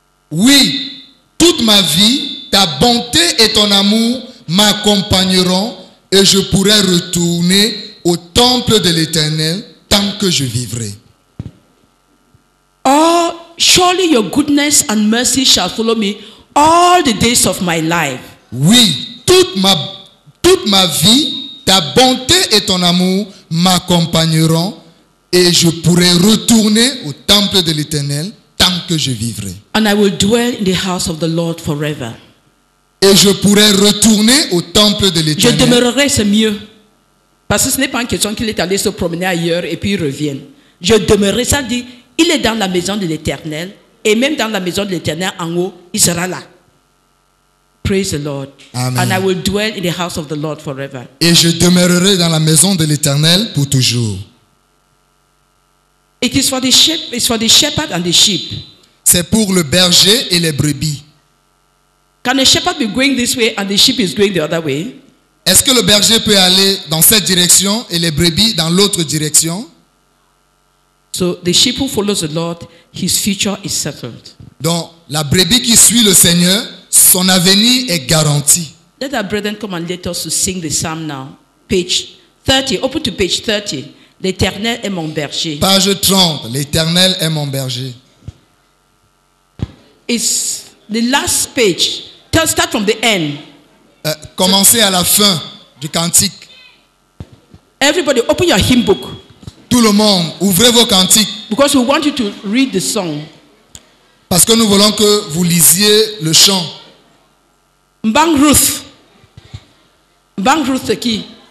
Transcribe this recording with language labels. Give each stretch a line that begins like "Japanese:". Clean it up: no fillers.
French: Oui, toute ma vie, ta bonté et ton amour m'accompagneront et je pourrai retourner au temple de l'Éternel tant que je vivrai.
English: Oh, surely your goodness and mercy shall follow me all the days of my life.
French: Oui, toute ma vie, ta bonté et ton amour m'accompagneront et je pourrai retourner au temple de l'Éternel tant que je vivrai.
English: And I will dwell in the house of the Lord forever.
French: Et je pourrai retourner au temple de l'Éternel. Je demeurerai, c'est mieux. Parce que ce n'est pas une question qu'il est allé se promener ailleurs et puis il revienne. Je demeurerai, ça dit, il est dans la maison de l'Éternel et même dans la maison de l'Éternel en haut, il sera là.
English: Praise the Lord. Amen. And I will dwell in the house of the Lord forever.
French: Et je demeurerai dans la maison de l'Éternel pour toujours.
English: It is for the sheep, it's for the shepherd and the sheep.
French: C'est pour le berger et les brebis.
English: Can a shepherd be going this way and the sheep is going the other way?
French: Est-ce que le berger peut aller dans cette direction et les brebis dans l'autre direction?
English: So the sheep who follows the Lord, his future is settled.
French: Donc la brebis qui suit le Seigneur, son avenir est garanti.
English: Let our brethren come and let us sing the psalm now. Page 30. Open to page 30.
French: L'Éternel est mon berger. Page 30. L'Éternel est mon berger.
English: It's the last page. Start from the end.
French: Commencez à la fin du cantique.
English: Everybody, open your hymn book.
French: Tout le monde, ouvrez vos cantiques.
English: Because we want you to read the song.
French: Parce que nous voulons que vous lisiez le chant. Bang Ruth. Bang Ruth, c'est qui?